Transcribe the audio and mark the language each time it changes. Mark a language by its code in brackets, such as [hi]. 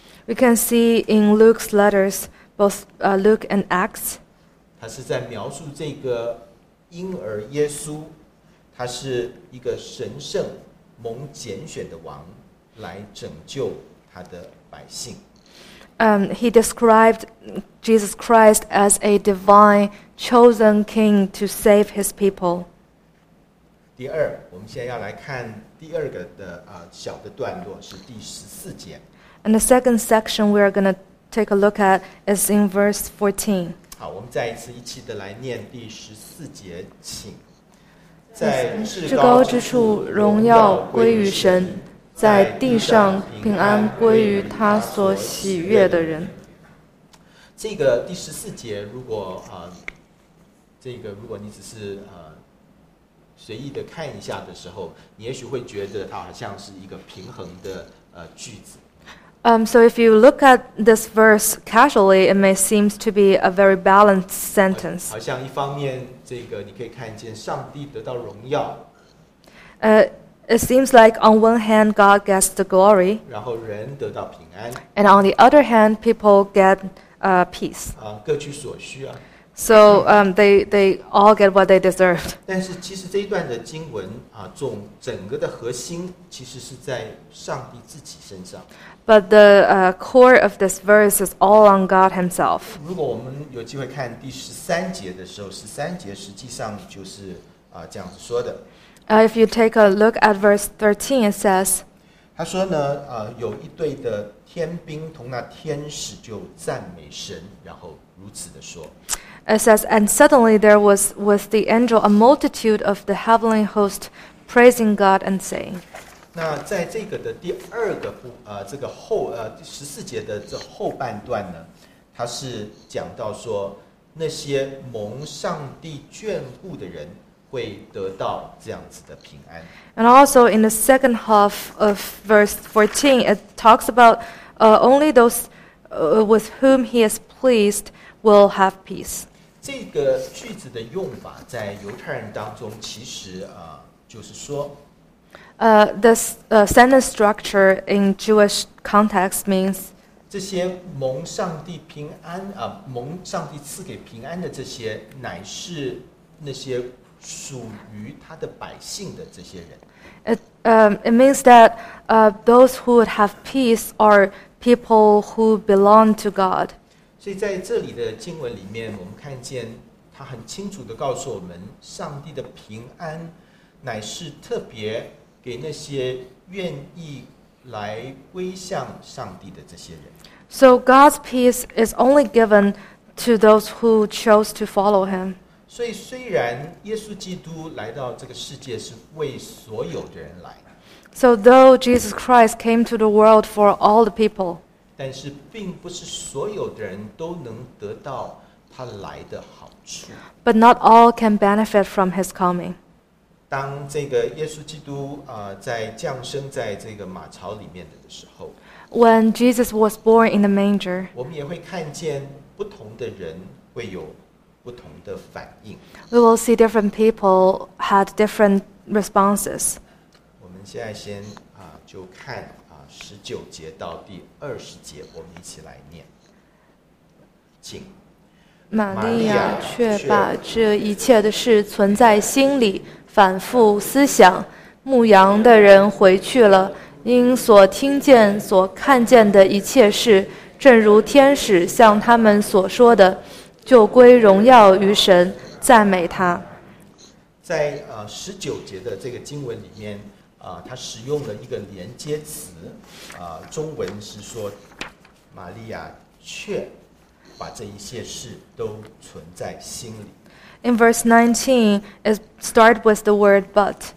[en] We can see in Luke's letters, both Luke and Acts, [zh] 他是在描述这个婴儿耶稣，他是一个神圣蒙拣选的王来拯救他的百姓。 [en] He described Jesus Christ as a divine chosen king to save his people. [zh] 第二，我们现在要来看第二个的小的段落是第十四节。 [en] And the second section we are going to take a look at is in verse 14. [zh] 好，我们再一次一起的来念第十四节，请。在至高之处，荣耀归于神。在地上平安归于他所喜悦的人。这个第十四节，如果你只是随意的看一下的时候，你也许会觉得它好像是一个平衡的句子。 [en] So if you look at this verse casually, it may seem to be a very balanced sentence. [zh] 好像一方面，这个你可以看见上帝得到荣耀。 [en] It seems like on one hand, God gets the glory. [zh] 然后人得到平安。 [en] And on the other hand, people get peace. [zh] 啊，各取所需啊。 [en] So they all get what they deserved. [zh] 但是其实这一段的经文啊，整个的核心其实是在上帝自己身上。 [en] But the core of this verse is all on God Himself. [zh] 如果我们有机会看第十三节的时候，十三节实际上就是啊这样子说的。 [en] If you take a look at verse 13, it says, [zh] 他说呢，有一队的天兵同那天使就赞美神，然后如此的说。 [en] It says, and suddenly there was with the angel a multitude of the heavenly host praising God and saying. [zh] 那在这个的第二个部，这个后，十四节的这后半段呢，他是讲到说，那些蒙上帝眷顾的人会得到这样子的平安。 [en] And also in the second half of verse 14, it talks about only those with whom he is pleased will have peace. [zh] 这个句子的用法在犹太人当中其实就是说 [en] this sentence structure in Jewish context means [zh] 这些蒙上帝平安蒙上帝赐给平安的这些乃是那些属于他的百姓的这些人。 [en] It means that those who would have peace are people who belong to God. [zh] 所以在这里的经文里面，我们看见他很清楚地告诉我们，上帝的平安乃是特别给那些愿意来归向上帝的这些人。 [en] So God's peace is only given to those who chose to follow Him. [zh] 所以虽然耶稣基督来到这个世界是为所有的人来， [en] So though Jesus Christ came to the world for all the people, [zh] 但是并不是所有的人都能得到他来的好处。 [en] But not all can benefit from his coming. [zh] 当这个耶稣基督在降生在这个马槽里面的时候， [en] When Jesus was born in the manger, [zh] 我们也会看见不同的人会有不同的反应。 [en] We will see different people had different responses. [zh] 我们现在先就看十九节到第二十节，我们一起来念。请。玛利亚却把这一切的事存在心里，反复思想。牧羊的人回去了，因所听见、所看见的一切事，正如天使向他们所说的。就归荣耀于神，赞美他。在十九节的这个经文里面，他使用了一个连接词，中文是说，玛利亚却把这一切事都存在心里。 [en] In verse 19, it starts with the word but.